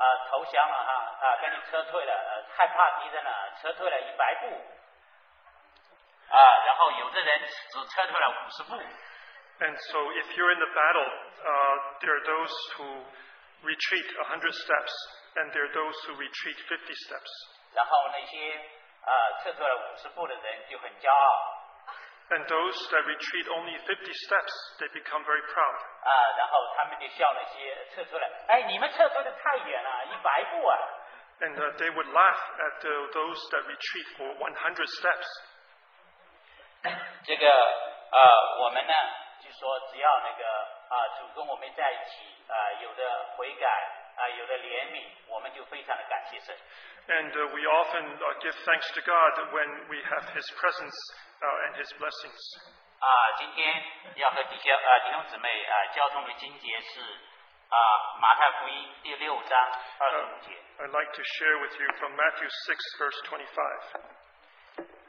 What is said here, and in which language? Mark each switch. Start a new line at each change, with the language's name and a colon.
Chinese: 投降了，跟你撤退了，害怕敌人了，撤退了100步，然后有的人只撤退了50步。
English: And so if you're in the battle, there are those who retreat 100 steps, and there are those who retreat 50 steps.
Chinese: 然后那些撤退了50步的人就很骄傲。
English: And those that retreat only 50 steps, they become very proud.
Chinese: 然后他们就笑那些撤退了。哎，你们撤退的太远了，一百步啊。
English: And they would laugh at those that retreat for 100 steps.
Chinese: 这个我们呢，就说只要那个主跟我们在一起，有的悔改，有的怜悯，我们就非常的感谢神。
English: And we often give thanks to God when we have His presence and His blessings.
Chinese: 今天要和弟兄姊妹交通的经节是马太福音第六章二十五节。
English: I'd like to share with you from Matthew 6, verse 25.